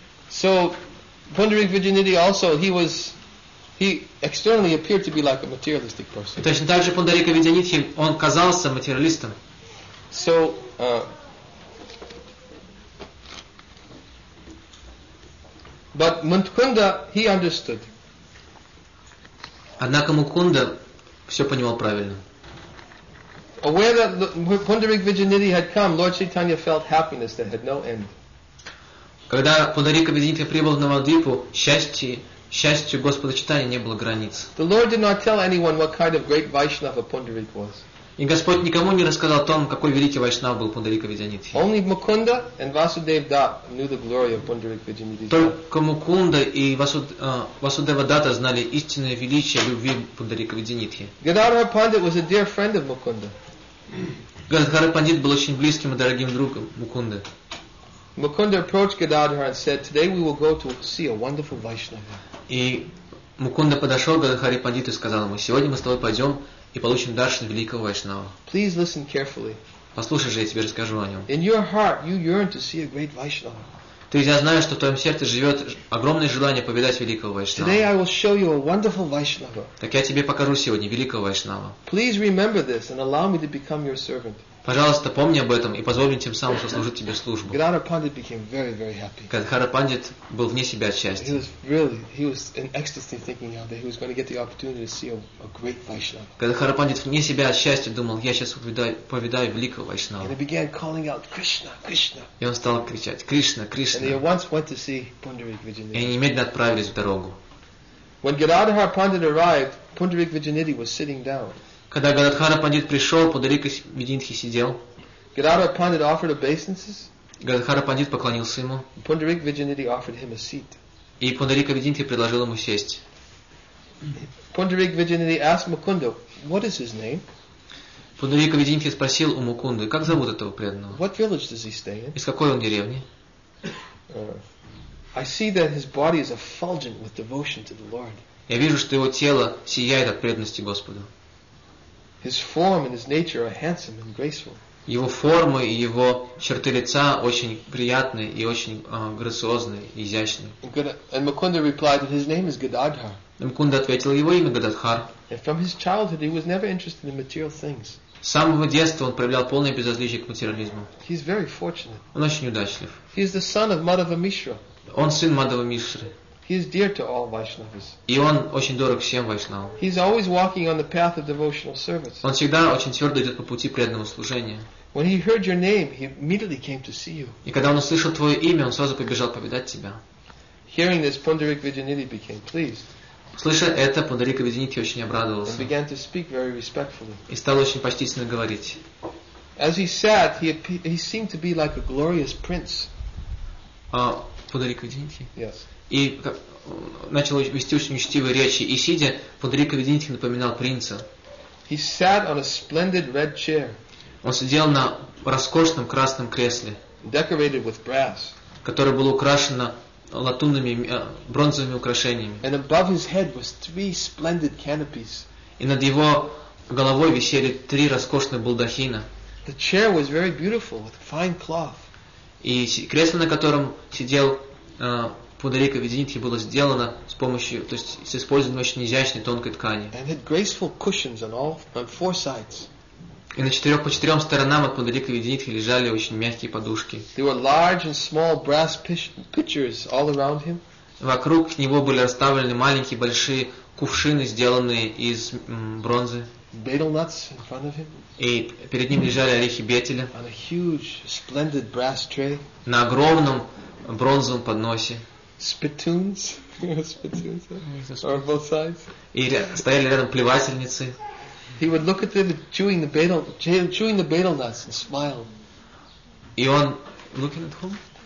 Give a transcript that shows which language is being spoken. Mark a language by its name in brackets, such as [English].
[English] So, Pundarik Vidyanidhi also, he externally appeared to be like a materialistic person. [Russian] Точно так же Пундарика Видянитхи, он казался материалистом. [English] So, but Munkunda, he understood. [Russian] Однако Мукунда все понимал правильно. [English] Aware that Pundarik Vidyanidhi had come, Lord Chaitanya felt happiness that had no end. [Russian] Когда Пундарика Видянитхи прибыл в Навадвипу, счастью Господа Чайтаньи не было границ. [English] The Lord did not tell anyone what kind of great Vaishnava Pundarik was. [Russian] И Господь никому не рассказал о том, какой великий Вайшнав был Пундарика Видянитхи. [English] Only Mukunda and Vasudeva Datta knew the glory of Pundarik Vidyanidhi. [Russian] Только Мукунда и Васудева Датта знали истинное величие любви Пундарика Видянитхи. [English] Gadadhara Pandit was a dear friend of Mukunda. [Russian] Gadadhara Pandit был очень близким и дорогим другом Мукунды. [English] Mukunda approached Gadadhara and said, "Today we will go to see a wonderful Vaishnava." [Russian] И Мукунда подошел к Гадхари Пандиту и сказал ему: "Сегодня мы с тобой пойдем и получим даршан великого Вайшнава." [English] Please listen carefully. [Russian] Послушай же, я тебе расскажу о нем. [English] In your heart, you yearn to see a great Vaishnava. [Russian] То есть я знаю, что в твоем сердце живет огромное желание повидать великого Вайшнава. [English] Today I will show you a wonderful Vaishnava. [Russian] Так я тебе покажу сегодня великого Вайшнава. [English] Please remember this and allow me to become your servant. [Russian] Пожалуйста, помни об этом и позволь мне тем самым сослужить тебе службу. [English] Gadadhara Pandit became very, very happy. [Russian] Gadadhara Pandit был вне себя от счастья. [English] He was really, he was in ecstasy thinking how that he was going to get the opportunity to see a great Vaishnava. [Russian] Gadadhara Pandit вне себя от счастья думал, я сейчас повидаю великого Вайшнава. [English] And he began calling out, Krishna, Krishna. [Russian] И он стал кричать, Кришна, Кришна. [English] And they once went to see Pundarik Vidyanidhi. [Russian] И они немедленно отправились в дорогу. [English] When Gadadhara Pandit arrived, Pundarik Vidyanidhi was sitting down. [Russian] Когда Гададхара Пандит пришел, Пундарика Видянитхи сидел. [English] Gadadhara Pandit offered obeisances. [Russian] Гададхара Пандит поклонился ему. [English] Pundarik Vidyanidhi offered him a seat. [Russian] И Пундарика Видянитхи предложил ему сесть. [English] Pundarik Vidyanidhi asked Mukunda, "What is his name?" [Russian] Пундарика Видянитхи спросил у Мукунды, как зовут этого преданного. [English] What village does he stay in? [Russian] Из какой он деревни? [English] I see that his body is effulgent with devotion to the Lord. [Russian] Я вижу, что его тело сияет от преданности Господу. [English] His form and his nature are handsome and graceful. [Russian] Его формы и его черты лица очень приятны и очень грациозны и изящны. [English] And Mukunda replied that his name is Gadadhar. [Russian] Мукунда ответил, его имя Гададхар. [English] And from his childhood he was never interested in material things. [Russian] С самого детства он проявлял полное безразличие к материализму. [English] He's very fortunate. [Russian] Он очень удачлив. [English] He is the son of Madhava Mishra. [Russian] Он сын Мадхава Мишры. [English] He is dear to all Vaishnavas. [Russian] И он очень дорог всем Вайшнавам. [English] He is always walking on the path of devotional service. [Russian] Он всегда очень твердо идет по пути преданного служения. [English] When he heard your name, he immediately came to see you. [Russian] И когда он услышал твое имя, он сразу побежал повидать тебя. [English] Hearing this, Pundarik Vidyanidhi became pleased. [Russian] Слыша это, Пундарика Видянитхи очень обрадовался. [English] And began to speak very respectfully. [Russian] И стал очень почтительно говорить. [English] As he sat, he seemed to be like a glorious prince. [Russian] Пундарика Видянитхи? [English] Yes. [Russian] И начал вести очень учтивые речи. И сидя, Пундарика Видянитхи напоминал принца. [English] He sat on a splendid red chair. [Russian] Он сидел на роскошном красном кресле, [English] decorated with brass, [Russian] которое было украшено латунными, бронзовыми украшениями. [English] And above his head was three splendid canopies. [Russian] И над его головой висели три роскошных балдахина. [English] The chair was very beautiful, with fine cloth. [Russian] И кресло, на котором сидел Пундарика Видянитхи, было сделано с помощью, то есть с использованием очень изящной тонкой ткани. [English] And had graceful cushions on all, on four sides. [Russian] И на четырех по четырем сторонам от Пундарика Видянитхи лежали очень мягкие подушки. [English] There were large and small brass pitchers all around him. [Russian] Вокруг него были расставлены маленькие большие кувшины, сделанные из бронзы. [English] betel nuts in front of him. [Russian] И перед ним лежали орехи бетеля. [English] On a huge, splendid brass tray. [Russian] На огромном бронзовом подносе. [English] Spittoons. Spittoons. On both sides. [Russian] И стояли рядом плевательницы. [English] He would look at them chewing the betel nuts and smile. [Russian] И он [English] looking at whom?